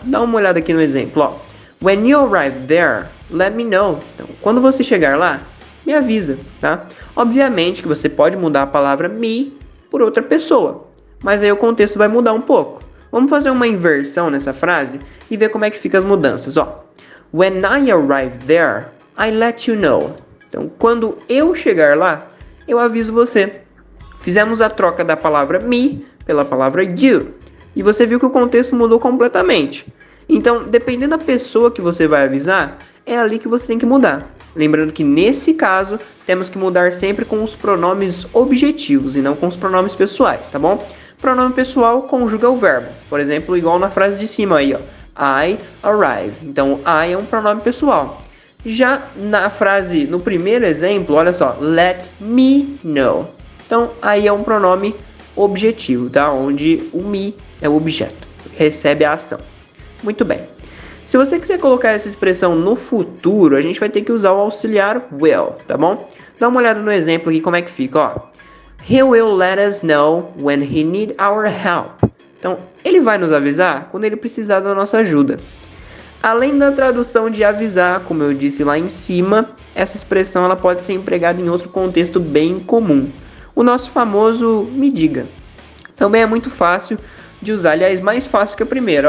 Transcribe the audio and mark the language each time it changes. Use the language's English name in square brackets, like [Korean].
[Portuguese] Dá uma olhada aqui no exemplo, ó. [English] When you arrive there, let me know. [Portuguese] Então, quando você chegar lá, me avisa, tá? Obviamente que você pode mudar a palavra me por outra pessoa, mas aí o contexto vai mudar um pouco. Vamos fazer uma inversão nessa frase e ver como é que fica as mudanças, ó. [English] When I arrive there, I let you know. [Portuguese] Então, quando eu chegar lá, eu aviso você. Fizemos a troca da palavra me pela palavra you. E você viu que o contexto mudou completamente. Então, dependendo da pessoa que você vai avisar, é ali que você tem que mudar. Lembrando que nesse caso, temos que mudar sempre com os pronomes objetivos e não com os pronomes pessoais, tá bom? Pronome pessoal conjuga o verbo. Por exemplo, igual na frase de cima aí, ó. [English] I arrive. [Portuguese] Então, I é um pronome pessoal. Já na frase, no primeiro exemplo, olha só. [English] Let me know. [Portuguese] Então, aí é um pronome objetivo, tá? Onde o me é o objeto, recebe a ação. Muito bem. Se você quiser colocar essa expressão no futuro, a gente vai ter que usar o auxiliar will, tá bom? Dá uma olhada no exemplo aqui, como é que fica, ó. [English] He will let us know when he needs our help. [Portuguese] Então, ele vai nos avisar quando ele precisar da nossa ajuda. Além da tradução de avisar, como eu disse lá em cima, essa expressão ela pode ser empregada em outro contexto bem comum. O nosso famoso me diga. Também é muito fácil de usar, aliás, mais fácil que a primeira.